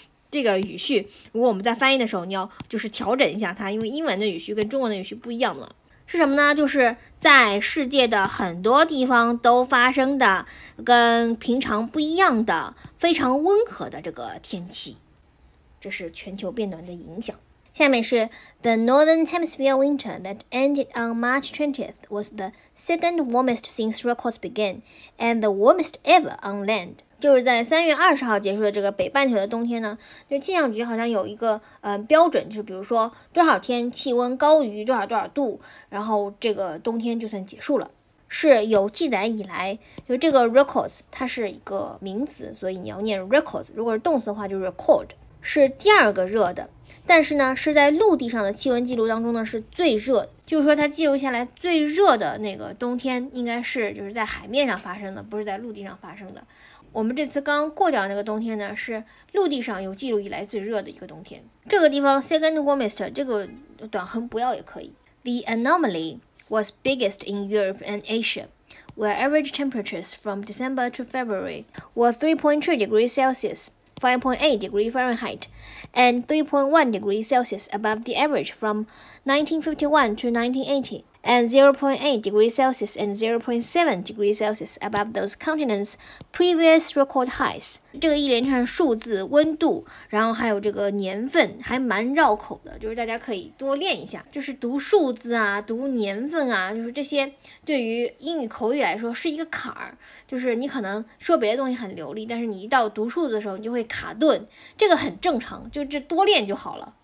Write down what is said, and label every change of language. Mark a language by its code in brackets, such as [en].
[zh] 这个语序，如果我们在翻译的时候，你要就是调整一下它，因为英文的语序跟中文的语序不一样了。是什么呢？就是在世界的很多地方都发生的跟平常不一样的非常温和的这个天气，这是全球变暖的影响。下面是 [en] The Northern Hemisphere winter that ended on March 20th was the second warmest since records began and the warmest ever on land。 [zh] 就是在3月20号结束的这个北半球的冬天呢，就是气象局好像有一个标准，就是比如说多少天气温高于多少多少度，然后这个冬天就算结束了。是有记载以来，就这个 records 它是一个名词，所以你要念 records， 如果是动词的话就 record。是第二个热的，但是呢是在陆地上的气温记录当中呢是最热的，就是说它记录下来最热的那个冬天应该是就是在海面上发生的，不是在陆地上发生的。我们这次刚过掉那个冬天呢是陆地上有记录以来最热的一个冬天。这个地方 [en] second warmest [zh] 这个短横不要也可以。 [en] The anomaly was biggest in Europe and AsiaWhere average temperatures from December to February were 3.3 degrees Celsius, 5.8 degrees Fahrenheit, and 3.1 degrees Celsius above the average from 1951 to 1980, and 0.8 degrees Celsius and 0.7 degrees Celsius above those continents' previous record highs. [zh] 这个一连串数字、温度，然后还有这个年份，还蛮绕口的，就是大家可以多练一下，就是读数字啊、读年份啊，就是这些对于英语口语来说是一个坎儿，就是你可能说别的东西很流利，但是你一到读数字的时候你就会卡顿，这个很正常，就这多练就好了。